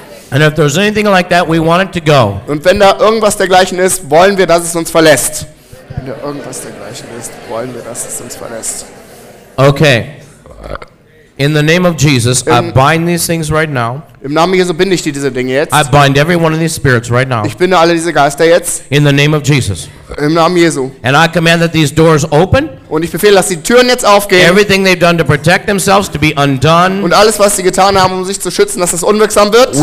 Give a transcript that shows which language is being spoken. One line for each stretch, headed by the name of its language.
English: And if there's anything like that, we want it to go.
German: Und wenn da irgendwas dergleichen ist, wollen wir, dass es uns verlässt. Wenn da irgendwas dergleichen ist, wollen wir, dass es uns verlässt.
English: Okay. In the name of Jesus, I bind these things right now.
German: Im Namen Jesu binde ich dir diese Dinge jetzt.
English: I bind every one of these spirits right now.
German: Ich binde alle diese Geister jetzt.
English: In the name of Jesus.
German: Im Namen Jesu.
English: And I command that these doors open.
German: Und ich befehle, dass die Türen jetzt aufgehen.
English: Everything they've done to protect themselves to be undone.
German: Und alles, was sie getan haben, um sich zu schützen, dass das unwirksam wird.